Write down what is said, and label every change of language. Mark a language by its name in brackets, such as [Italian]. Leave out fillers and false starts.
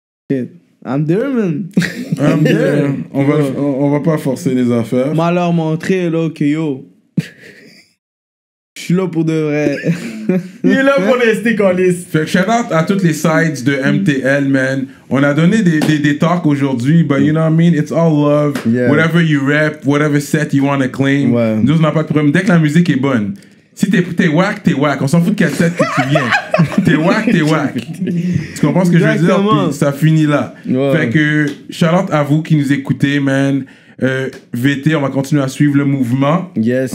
[English] Shit. I'm there, man. I'm there. [French] On va pas forcer les affaires. Moi, leur montrer, là, que yo. Je suis là pour de vrai. Il est là pour rester qu'on liste. Fait que shout out à toutes les sites de MTL, man. On a donné des talks aujourd'hui, [English] but you know what I mean? It's all love. Yeah. Whatever you rap, whatever set you want to claim. [French] Ouais. Nous, on n'a pas de problème. Dès que la musique est bonne, si t'es whack, t'es whack. On s'en fout de quel set que tu viens. T'es whack, t'es whack. Tu comprends ce que je veux dire? Puis ça finit là. Ouais. Fait que shout out à vous qui nous écoutez, man. VT, on va continuer à suivre le mouvement. [English] Yes.